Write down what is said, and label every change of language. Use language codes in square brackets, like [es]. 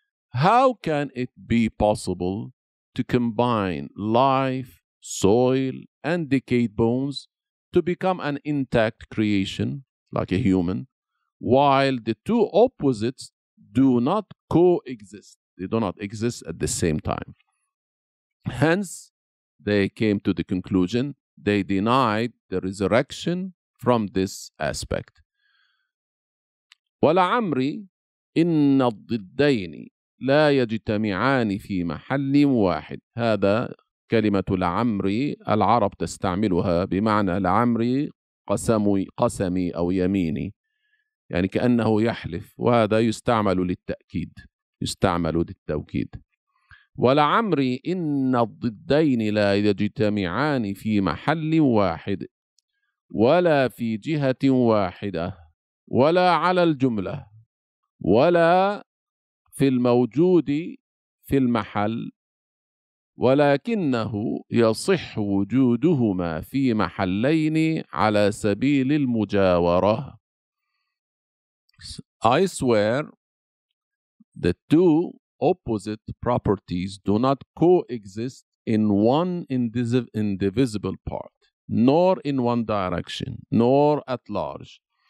[en] How can it be possible to combine life, soil, and decayed bones to become an intact creation, like a human, while the two opposites do not coexist? They do not exist at the same time. Hence, they came to the conclusion, they denied the resurrection from this aspect. [ar] ولعمري إن الضدين لا يجتمعان في محل واحد. هذا كلمة لعمري العرب تستعملها بمعنى لعمري قسمي أو يميني, يعني كأنه يحلف, وهذا يستعمل للتأكيد, يستعمل للتوكيد. ولعمري إن الضدين لا يجتمعان في محل واحد ولا في جهة واحدة ولا على الجملة ولا في الموجود في المحل, ولكنه يصح وجودهما في محلين على سبيل المجاورة. [en] I swear the two opposite properties do not coexist in one indivisible part, nor in one direction, nor at large,